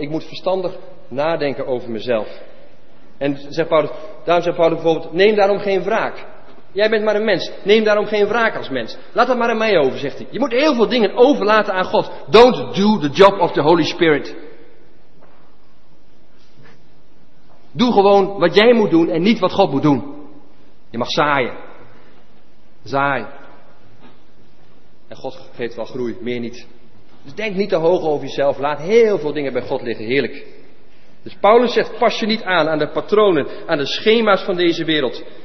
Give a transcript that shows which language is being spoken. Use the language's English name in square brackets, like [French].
[Dutch] Ik moet verstandig nadenken over mezelf. En zegt Paulus, daarom zegt Paulus bijvoorbeeld, neem daarom geen wraak. Jij bent maar een mens, neem daarom geen wraak als mens. Laat dat maar aan mij over, zegt hij. Je moet heel veel dingen overlaten aan God. [English] Don't do the job of the Holy Spirit. [Dutch] Doe gewoon wat jij moet doen en niet wat God moet doen. Je mag zaaien. Zaai. En God geeft wel groei, meer niet. Dus denk niet te hoog over jezelf. Laat heel veel dingen bij God liggen, heerlijk. Dus Paulus zegt, pas je niet aan de patronen, aan de schema's van deze wereld.